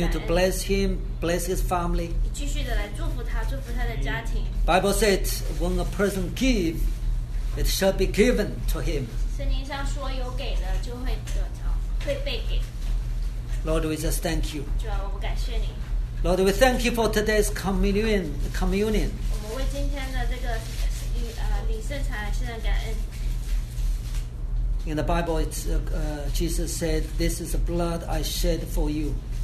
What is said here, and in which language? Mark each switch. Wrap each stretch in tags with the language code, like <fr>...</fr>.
<en>you continue to bless him, bless his family.</en> <zh>继续的来祝福他，祝福他的家庭。</zh> <en>Bible says, when a person gives, it shall be given to him.</en> <zh>圣经上说有给的就会得着，会被给。</zh> <en>Lord, we just thank you.</en> <zh>主啊，我们感谢你。</zh> <en>Lord, we thank you for today's communion.</en> <zh>我们为今天的这个领圣餐献上感恩。</zh> <en>In the Bible, Jesus said, "This is the blood I shed for you."</en>